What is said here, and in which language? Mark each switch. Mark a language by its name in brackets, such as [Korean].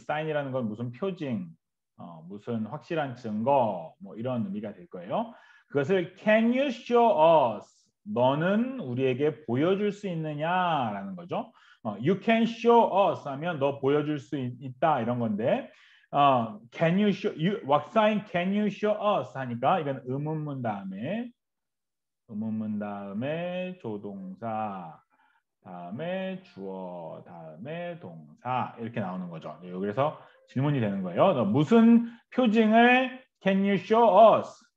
[Korean] 이 사인이라는 건 무슨 표징, 무슨 확실한 증거, 뭐 이런 의미가 될 거예요. 그것을 [English] can you show us? [Korean] 너는 우리에게 보여줄 수 있느냐라는 거죠. [English] You can show us [Korean] 하면 너 보여줄 수 있다 이런 건데, [English] can you show you what sign can you show us? [Korean] 하니까 이건 의문문 다음에. 의문문 다음에 조동사, 다음에 주어, 다음에 동사 이렇게 나오는 거죠. 그래서 질문이 되는 거예요. 너 무슨 표징을 [English] can you show us?